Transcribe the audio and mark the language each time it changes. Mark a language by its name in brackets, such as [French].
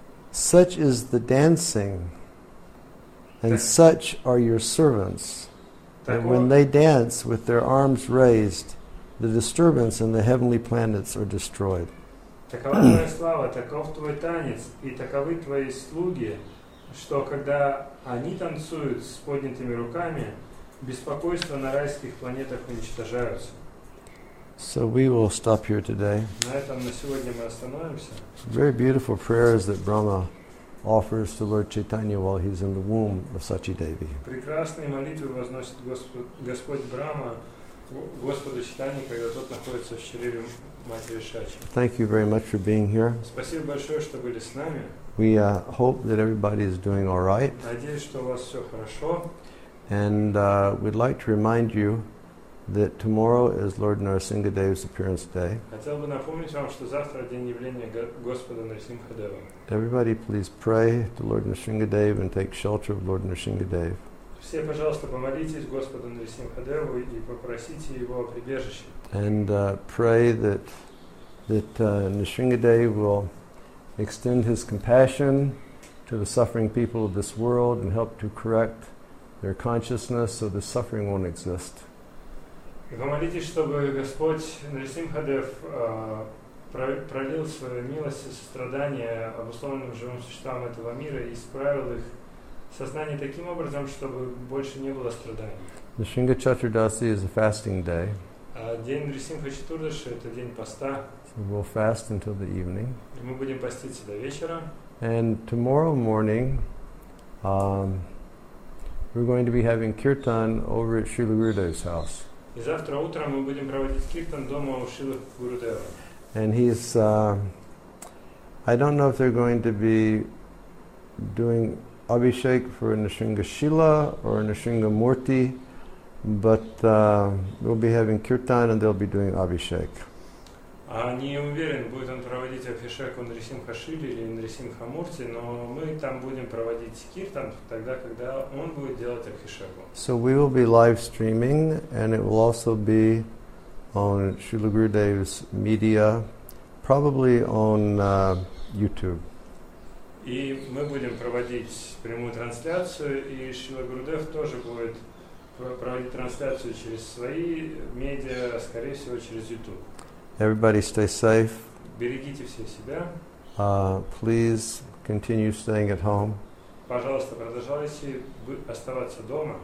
[English] Such is the dancing, and such are your servants, that when they dance with their arms raised, the disturbance in the heavenly planets are destroyed. [Russian] Такова твоя слава, таков твой танец, и таковы твои слуги, что когда они танцуют с поднятыми руками, беспокойство на райских планетах уничтожаются. [English] So we will stop here today. [Russian] На этом на сегодня мы остановимся. [English] Very beautiful prayers that Brahma offers to Lord Chaitanya while he's in the womb of Sachidevi. [Russian] Прекрасные молитвы возносит Господь Брама Господу Чайтанье, когда тот находится в чреве матери Шачи. [English] Thank you very much for being here. [Russian] Спасибо большое, что были с нами. [English] We hope that everybody is doing all right. [Russian] Надеюсь, что у вас все хорошо. [English] And we'd like to remind you that tomorrow is Lord Narasimhadeva's appearance day. [Russian] Хотел бы напомнить вам, что завтра день явления Господа Нарсимхадева. [English] Everybody please pray to Lord Narasimhadeva and take shelter of Lord Narasimhadeva. [Russian] Все, пожалуйста, помолитесь Господу Нарсимхадеву и попросите его о прибежище. [English] And pray that Narasimhadeva will extend his compassion to the suffering people of this world and help to correct their consciousness so the suffering won't exist. [Russian] И помолитесь, чтобы Господь Нарисимхадев пролил свою милость и сострадание обусловленным живым существам этого мира и исправил их сознание таким образом, чтобы больше не было страданий. [English] Нарисимха Чатурдаси is a fasting day. [Russian] День Нарисимха Чатурдаши – это день поста. [English] So we'll fast until the evening. [Russian] И мы будем поститься до вечера. [English] And tomorrow morning, we're going to be having kirtan over at Srila Gurudev's house. [Russian] И завтра утром мы будем проводить киртан дома у Шрилы Гурудева. [English] And he's, I don't know if they're going to be doing Abhishek for Nrisimha Shila or Nrisimha Murti, but we'll be having kirtan and they'll be doing Abhishek. [Russian] Не уверен, будет он проводить Абхишек у Нрисимха Шили или Нрисимха Мурти, но мы там будем проводить киртан тогда, когда он будет делать Абхишек. [English] So we will be live streaming and it will also be on Srila Gurudev's media, probably on YouTube. [Russian] И мы будем проводить прямую трансляцию, и Шрила Гурудев тоже будет проводить трансляцию через свои медиа, скорее всего, через YouTube. [English] Everybody stay safe. [Russian] Берегите все себя. [English] Please continue staying at home. [Russian] Пожалуйста, продолжайте оставаться дома.